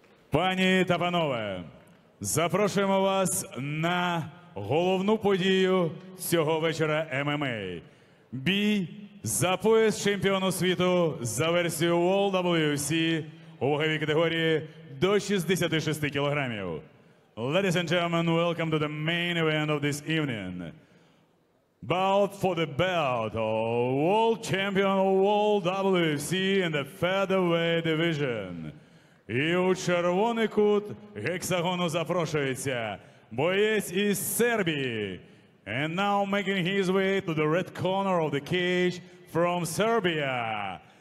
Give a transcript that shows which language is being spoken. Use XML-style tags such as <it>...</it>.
<uk>Пані та панове, запрошуємо вас на головну подію цього вечора ММА. Бій за пояс чемпіону світу за версією World WC у ваговій категорії до 66 кілограмів.</uk> <en>Ladies and gentlemen, welcome to the main event of this evening. Bout for the belt of world champion of World WC in the featherweight division.</en> <uk>І у червоний кут гексагону запрошується боєць із Сербії.</uk> <en>And now making his way to the red corner of the cage from Serbia.</en>